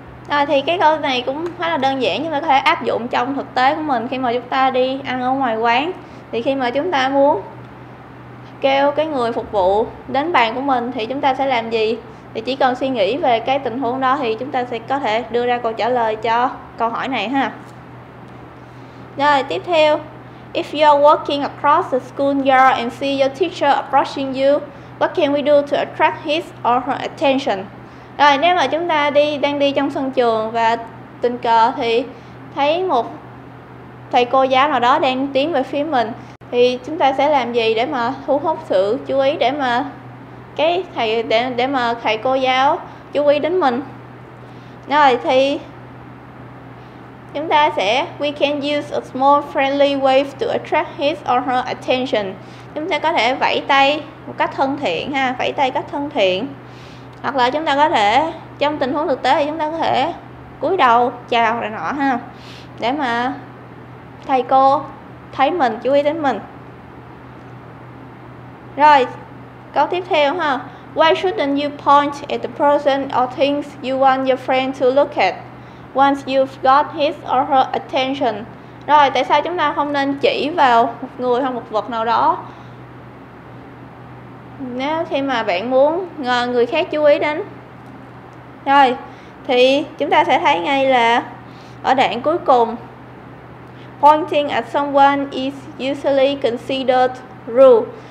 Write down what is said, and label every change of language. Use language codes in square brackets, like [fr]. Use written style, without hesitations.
[vi] Rồi, thì cái câu này cũng khá là đơn giản, nhưng mà có thể áp dụng trong thực tế của mình. Khi mà chúng ta đi ăn ở ngoài quán thì khi mà chúng ta muốn kêu cái người phục vụ đến bàn của mình thì chúng ta sẽ làm gì? Thì chỉ cần suy nghĩ về cái tình huống đó thì chúng ta sẽ có thể đưa ra câu trả lời cho câu hỏi này ha. Rồi, tiếp theo. [en] If you're walking across the school yard and see your teacher approaching you, what can we do to attract his or her attention? [vi] Rồi, nếu mà chúng ta đang đi trong sân trường và tình cờ thì thấy một thầy cô giáo nào đó đang tiến về phía mình, thì chúng ta sẽ làm gì để mà thu hút sự chú ý, để mà cái thầy để mà thầy cô giáo chú ý đến mình? Rồi thì chúng ta sẽ [en] we can use a small friendly wave to attract his or her attention. [vi] Chúng ta có thể vẫy tay một cách thân thiện ha, vẫy tay cách thân thiện. Hoặc là chúng ta có thể trong tình huống thực tế thì chúng ta có thể cúi đầu chào rồi nọ ha, để mà thầy cô thấy mình, chú ý đến mình. Rồi, câu tiếp theo ha. [en] Why shouldn't you point at the person or things you want your friend to look at once you've got his or her attention? [vi] Rồi, tại sao chúng ta không nên chỉ vào một người hay một vật nào đó nếu khi mà bạn muốn người khác chú ý đến? Rồi, thì chúng ta sẽ thấy ngay là ở đoạn cuối cùng, [en] pointing at someone is usually considered rude.